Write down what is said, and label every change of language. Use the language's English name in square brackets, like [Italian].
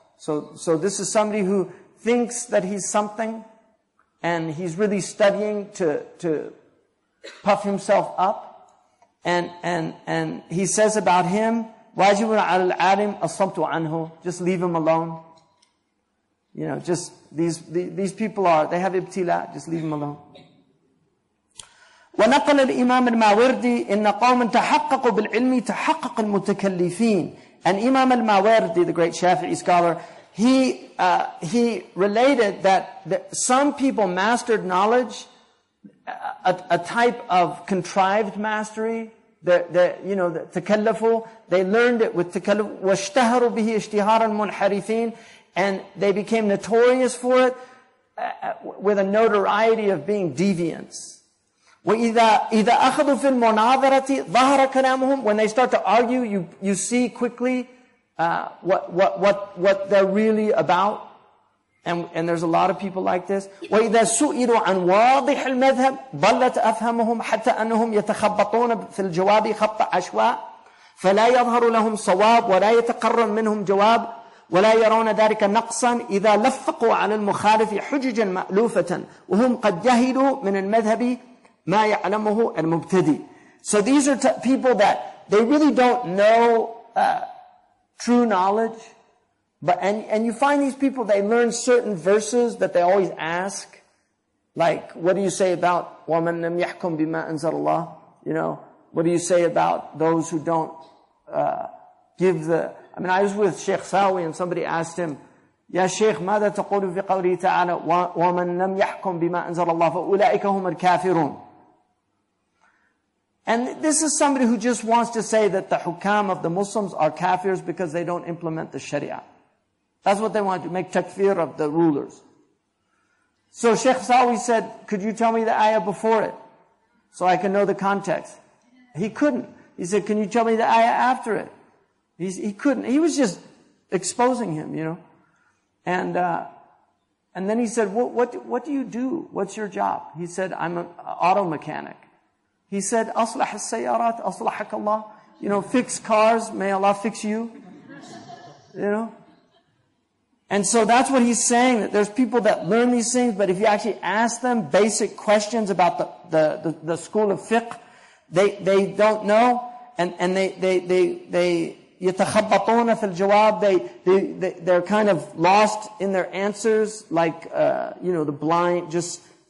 [English] So this is somebody who thinks that he's something, and he's really studying to puff himself up. And he says about him, wajibun al alim asamtu anhu. Just leave him alone. You know, just these people are, they have ibtila. Just leave him alone. [Arabic] ونقل الإمام الماوردي إن قوم تحقق بالعلم تحقق المتكلفين. [English] And Imam al-Mawardi, the great Shafi'i scholar, he related that some people mastered knowledge, a type of contrived mastery, the takallufu, they learned it with takallufu, [Arabic] واشتهروا به اشتهارا منحرفين, [English] and they became notorious for it with a notoriety of being deviants. [Arabic] وإذا أخذوا في المناظرة ظهر كلامهم. [English] When they start to argue, you see quickly what they're really about, and there's a lot of people like this. [Arabic] وإذا سئلوا عن واضح المذهب ضلت أفهمهم حتى أنهم يتخبطون في الجواب خبط عشواء فلا يظهر لهم صواب ولا يتقرر منهم جواب ولا يرون ذلك نقصا إذا لفقوا على المخالف حججا مألوفة وهم قد جهلوا من المذهب مَا يَعْلَمُهُ الْمُبْتَدِي. [English] So these are people that they really don't know true knowledge. But and you find these people, they learn certain verses that they always ask. Like, what do you say about [Arabic] وَمَنْ لَمْ يَحْكُمْ بِمَا أَنْزَلَ اللَّهِ? [English] You know, what do you say about those who don't give the... I mean, I was with Sheikh Sawi and somebody asked him, [Arabic] يَا شَيْخ مَاذَا تَقُولُ فِي قَوْلِهِ تَعَالَى وَمَنْ لَمْ يَحْكُمْ بِمَا أَنْزَلَ اللَّهِ فَأُولَئِكَ هُمَ الْكَافِرُونَ. [English] And this is somebody who just wants to say that the hukam of the Muslims are kafirs because they don't implement the sharia. That's what they want to make takfir of the rulers. So Sheikh Sawi said, could you tell me the ayah before it so I can know the context? He couldn't. He said, can you tell me the ayah after it? He couldn't. He was just exposing him, you know. And then he said, what do you do? What's your job? He said, I'm an auto mechanic. [Arabic] He said, أصلح السيارات أصلحك الله. [English] You know, fix cars, may Allah fix you. You know? And so that's what he's saying, that there's people that learn these things, but if you actually ask them basic questions about the school of fiqh, they don't know, and they [Arabic] يتخبطون في الجواب, [English] they're kind of lost in their answers, like, you know, the blind, just...